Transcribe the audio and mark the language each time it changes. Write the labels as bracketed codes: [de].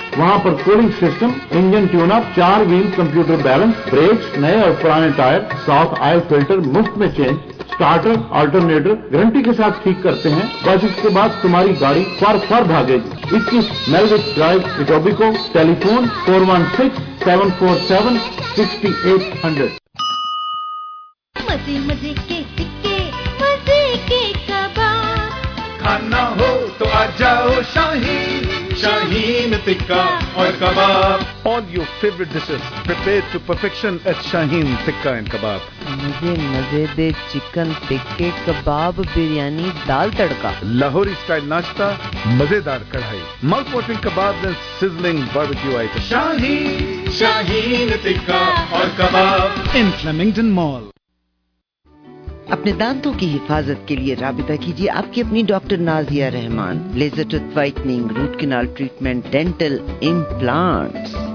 [ur] وہاں پر cooling system, engine tune اپ، چار well computer balance, breaks, نئے اور پرانے ٹائر، ساتھ آئل فلٹر، مفت میں چینج، اسٹارٹر، آلٹرنیٹر گارنٹی کے ساتھ ٹھیک کرتے ہیں۔ بس اس کے بعد تمہاری گاڑی فار فار بھاگے گی۔ 21 میلوک ڈرائیو اٹوبیکو، ٹیلی فون 416-747-6800۔ مزے مزے کے سکے، مزے کے کباب، کھانا ہو تو آ جاؤ شاہین، شاہین ٹکا اور کباب۔ [en] All your favorite dishes prepared to perfection at Shaheen Tikka and Kebab. [ur] مجھے مزے دے چکن ٹکے کباب، بریانی دال تڑکا، لاہوری سٹائل ناشتہ، مزیدار کڑھائی، [en] Mouth watering کباب and sizzling barbecue item. [ur] شاہین ٹکا اور کباب ان فلیمنگٹن مال۔ اپنے دانتوں کی حفاظت کے لیے رابطہ کیجیے آپ کی اپنی ڈاکٹر نازیہ رحمان۔ Laser tooth وائٹنگ، route canal treatment, dental implants,